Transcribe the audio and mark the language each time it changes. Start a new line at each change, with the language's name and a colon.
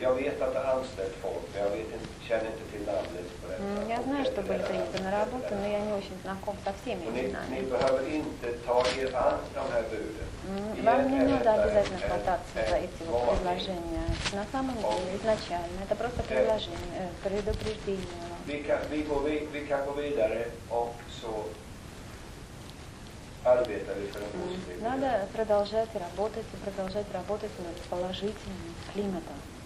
Swedish: Jag vet att det anställt folk, men jag vet inte, känner inte till namnet på detta. Mm, jag vet att det blir inte när arbetet, men jag är inte så nära kopplat till mig. Ni behöver inte ta er an de här buden.
Russian: Вам не надо обязательно хвататься за эти вот предложения. На самом деле, изначально, это просто предложение, предупреждение.
Swedish: Vi kan gå vidare och så arbetar vi för en positiv.
Russian: Надо продолжать работать и продолжать работать над положительным климатом.